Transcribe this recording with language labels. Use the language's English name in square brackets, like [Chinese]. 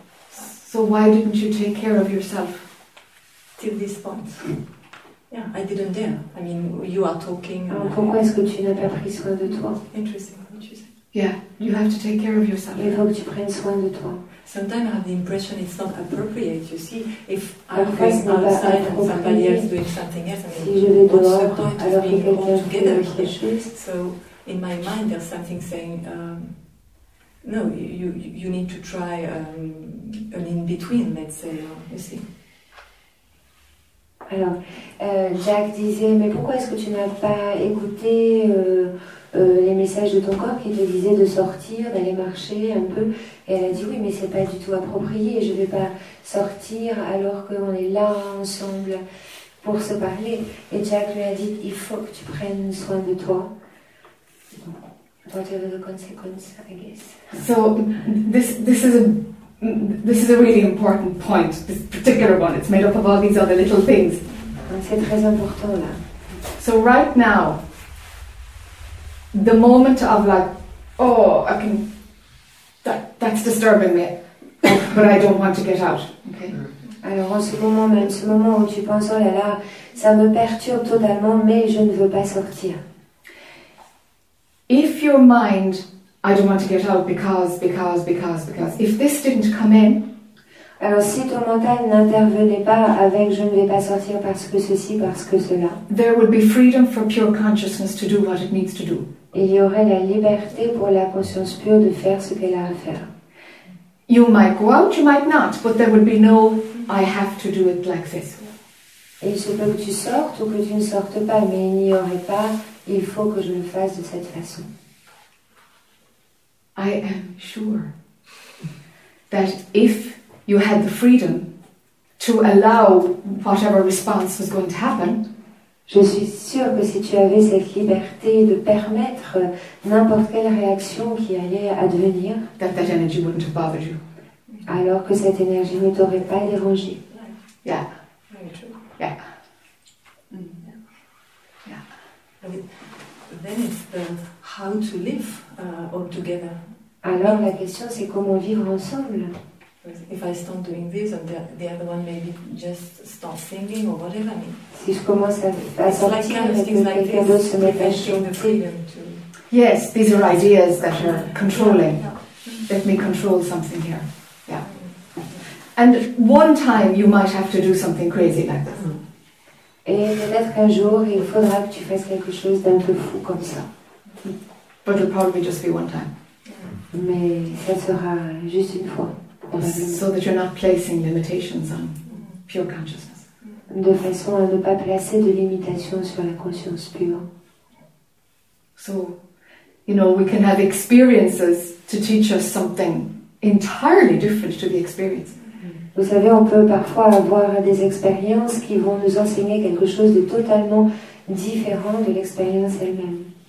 [English] So why didn't you take care of yourself till this point? Yeah, I didn't dare. I mean, you are talking. [French] Pourquoi est-ce que tu n'as pas pris soin de toi? [English] Interesting, what you say. Yeah, you have to take care of yourself. [French] Il faut que tu prennes soin de toi. [English] Sometimes I have the impression it's not appropriate. You see, if I'm going outside and somebody else doing something else, I mean, [French] si [English] what's [French] dehors, [English] the point of being all together? So in my mind, there's something saying. No, you need to try an in-between, let's say, you see. [French] Alors, Jack disait, mais pourquoi est-ce que tu n'as pas écouté les messages de ton corps qui te disaient de sortir, d'aller marcher un peu? Et elle a dit, oui, mais c'est pas du tout approprié, je ne vais pas sortir alors qu'on est là ensemble pour se parler. Et Jack lui a dit, il faut que tu prennes soin de toi. [English] Whatever the consequence, I guess. So, this is a really important point, this particular one. It's made up of all these other little things. [French] C'est très important, là. [English] So right now, the moment of like, oh, I can, that's disturbing me, but I don't want to get out. Okay. [French] Alors en ce moment même, ce moment où tu penses, oh là là, ça me perturbe totalement, mais je ne veux pas sortir. [English] If your mind, I don't want to get out because, if this didn't come in, [French] alors si ton mental n'intervenait pas avec je ne vais pas sortir parce que ceci, parce que cela, [English] there would be freedom for pure consciousness to do what it needs to do. [French] Il y aurait la liberté pour la conscience pure de faire ce qu'elle a à faire. [English] You might go out, you might not, but there would be no, I have to do it like this. [French] Et il se peut que tu sortes ou que tu ne sortes pas, mais il n'y aurait pas, il faut que je le fasse de cette façon. [English] I am sure that if you had the freedom to allow whatever response was going to happen, [French] je suis sûre que si tu avais cette liberté de permettre n'importe quelle réaction qui allait advenir, [English] that energy wouldn't have bothered you. [French] Alors que cette énergie ne t'aurait pas dérangé. [English] Yeah. Yeah. Very true. Yeah. Then it's the how to live all together. [French] Alors la question c'est comment vivre ensemble. [English] If I start doing this and the other one maybe just start singing or whatever. I mean, [French] si je commence à sortir, [English] like kind of things like this, [French] quelqu'un d'autre se met à chanter. [English] Yes, these are ideas that are controlling. Let me control something here. Yeah. And one time you might have to do something crazy like this. [French] Et peut-être qu'un jour, il faudra que tu fasses quelque chose d'un peu fou comme ça. [English] But it'll probably just be one time. [French] Mais ça sera juste une fois. [English] So that you're not placing limitations on pure consciousness. [French] De façon à ne pas placer de limitations sur la conscience pure. [English] So, you know, we can have experiences to teach us something entirely different to the experience. [French] Vous savez, on peut parfois avoir des expériences qui vont nous enseigner quelque chose de totalement différent de l'expérience elle-même.